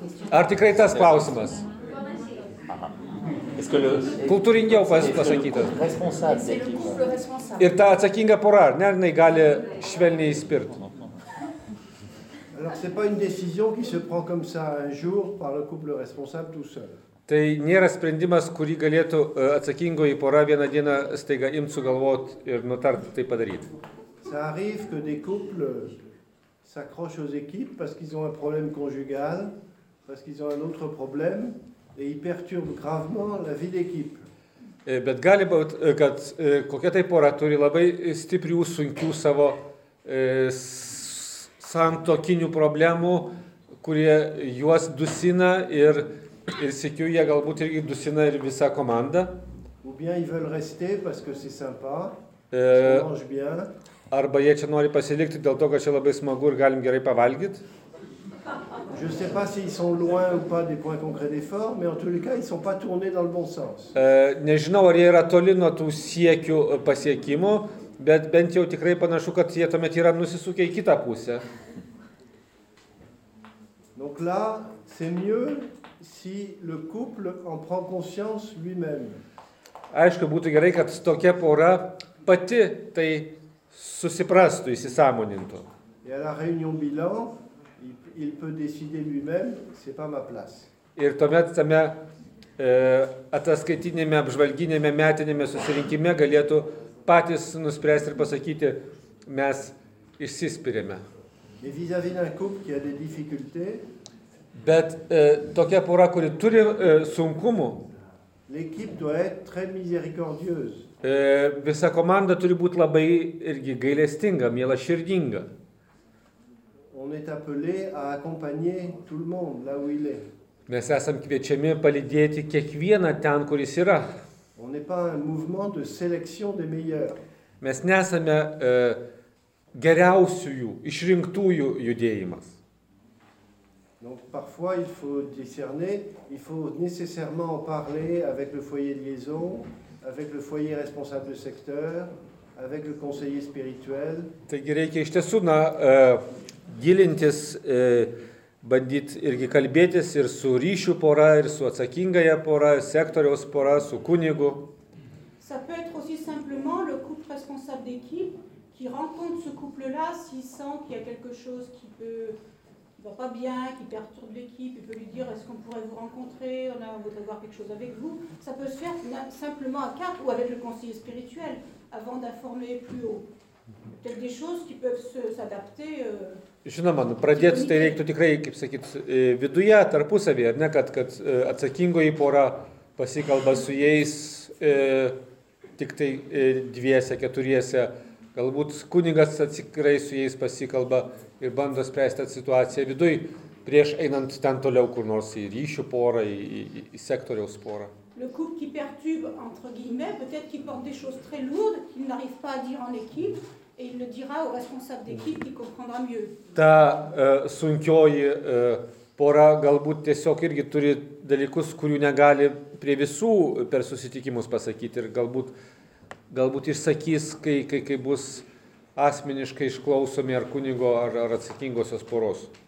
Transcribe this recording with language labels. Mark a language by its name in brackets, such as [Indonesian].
[Lithuanian] Ar tikrai tas klausimas? [French] Est-ce que le [Lithuanian] kultūringiau pasakyta? [French] Responsable. [Lithuanian] Ir ta atsakinga pora, ne, jinai gali švelniai išspirt. [French] Alors c'est pas une décision qui se prend comme ça un jour par le couple responsable tout seul. [Lithuanian] Tai nėra sprendimas, kurį galėtų atsakingoji pora vieną dieną staiga imt sugalvot ir nutart tai padaryti. [French] Ça arrive que des couples s'accrochent aux équipes parce qu'ils ont un problème conjugal, parce qu'ils ont un autre problème et ils perturbent gravement la vie d'équipe. [Lithuanian] Bet gali būt, kad kokia tai pora turi labai stiprių sunkių savo santokinių problemų, kurie juos dusina ir ir sėkiu, jie galbūt irgi dusina ir visą komandą. [French] Ou bien ils veulent rester parce que c'est sympa. Mange bien. [Lithuanian] Arba jie čia nori pasilikti dėl to, kad čia labai smagu ir galim gerai pavalgyti. [French] Je sais pas si ils sont loin ou pas des points concrets d'effort, mais en tous les cas, ils sont pas tournés dans le bon sens. [Lithuanian] Nežinau, ar jie yra toli nuo tų siekių pasiekimų, bet bent jau tikrai panašu, kad jie tuomet yra nusisukę į kitą pusę. [French] Donc là, c'est mieux si le couple en prend conscience lui-même. [Lithuanian] Aišku, būtų gerai, kad tokia pora pati tai susiprastų, įsisąmonintų. [French] Et à la réunion bilan, il peut décider lui-même, c'est pas ma place. [Lithuanian] Ir tuomet tame ataskaitinėme, apžvalginėme, metinėme susirinkime galėtų patys nuspręsti ir pasakyti, mes išsispirėme. [French] Et vis-à-vis d'un couple qui a des difficultés, [Lithuanian] bet tokia pora, kuri turi sunkumų. [French] L'équipe doit être très miséricordieuse. [Lithuanian] Visa komanda turi būti labai irgi gailestinga, miela širdinga. [French] On est appelé à accompagner tout le monde là où il est. [Lithuanian] Mes esam kviečiami palydėti kiekvieną ten, kuris yra. [French] On n'est pas un mouvement de sélection des meilleurs. [Lithuanian] Mes nesame geriausiųjų, išrinktųjų judėjimas. [French] Donc parfois, il faut discerner, il faut nécessairement en parler avec le foyer de liaison, avec le foyer responsable du secteur, avec le conseiller spirituel. [Lithuanian] Taigi reikia iš tiesų na, gilintis, bandyti irgi kalbėtis ir su ryšių pora, ir su atsakingaja pora, sektoriaus pora, su kunigu. [French] Ça peut être aussi simplement le couple responsable d'équipe qui rencontre ce couple-là, s'il sent qu'il y a quelque chose qui peut qui va pas bien, qui perturbe l'équipe, il peut lui dire est-ce qu'on pourrait vous rencontrer, on voudrait voir quelque chose avec vous. Ça peut se faire simplement à quatre ou avec le conseiller spirituel avant d'informer plus haut. Peut-être des choses qui peuvent s'adapter. [Lithuanian] Žinoma, pradėti tai reiktų tikrai, kaip sakyt, viduje, tarpusavyje, ar ne, kad atsakingoji pora pasikalba su jais tik tai dviese, keturiese. Galbūt kunigas atsikrai su jais pasikalba ir bando spręsti situaciją viduj, prieš einant ten toliau kur nors į ryšių porą, į sektoriaus porą. [French] Le couple qui perturbe, entre guillemets, peut-être qu'il porte des choses très lourdes, qu'il n'arrive pas à dire en équipe, et il le dira au responsable d'équipe qui comprendra mieux. [Lithuanian] Ta sunkioji pora galbūt tiesiog irgi turi dalykus, kurių negali prie visų per susitikimus pasakyti ir galbūt išsakys, kai bus asmeniškai išklausomi ar kunigo ar atsakingosios poros.